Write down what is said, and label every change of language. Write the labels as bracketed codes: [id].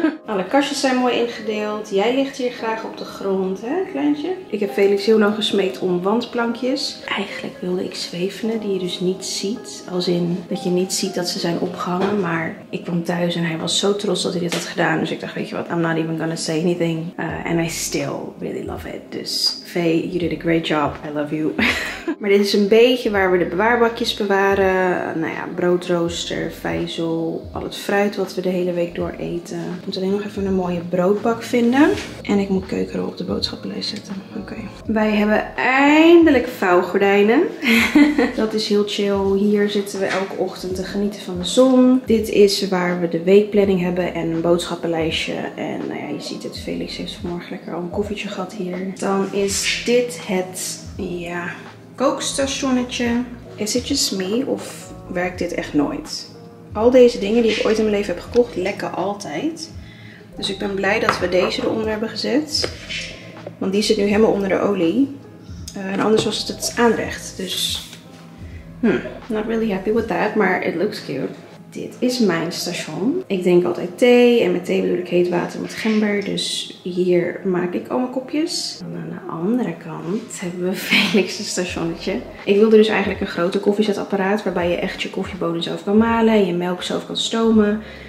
[nl] Alle kastjes zijn mooi ingedeeld. Jij ligt hier graag op de grond, hè, kleintje? Ik heb Felix heel lang gesmeekt om wandplankjes. Eigenlijk wilde ik zwevenen, die je dus niet ziet. Als in dat je niet ziet dat ze zijn opgehangen. Maar ik kwam thuis en hij was zo trots dat hij dit had gedaan. Dus ik dacht, weet je wat, [en] I'm not even gonna say anything. And I still really love it. Dus, Faye, you did a great job. I love you. [nl] Maar dit is een beetje waar we de bewaarbakjes bewaren. Nou ja, broodrooster, vijzel, al het fruit wat we de hele week door eten. Ik moet alleen nog even een mooie broodbak vinden. En ik moet keukenrol op de boodschappenlijst zetten. Oké. Wij hebben eindelijk vouwgordijnen. Dat is heel chill. Hier zitten we elke ochtend te genieten van de zon. Dit is waar we de weekplanning hebben en een boodschappenlijstje. En nou ja, je ziet het. Felix heeft vanmorgen lekker al een koffietje gehad hier. Dan is dit het, ja, kookstationnetje. [en] Is it just me [nl] of werkt dit echt nooit? Al deze dingen die ik ooit in mijn leven heb gekocht lekken altijd. Dus ik ben blij dat we deze eronder hebben gezet. Want die zit nu helemaal onder de olie. En anders was het aanrecht. [en] Dus not really happy with that, maar it looks cute. [nl] Dit is mijn station. Ik drink altijd thee en met thee bedoel ik heet water met gember. Dus hier maak ik al mijn kopjes. En aan de andere kant hebben we Felix' stationnetje. Ik wilde dus eigenlijk een grote koffiezetapparaat waarbij je echt je koffiebonen zelf kan malen en je melk zelf kan stomen.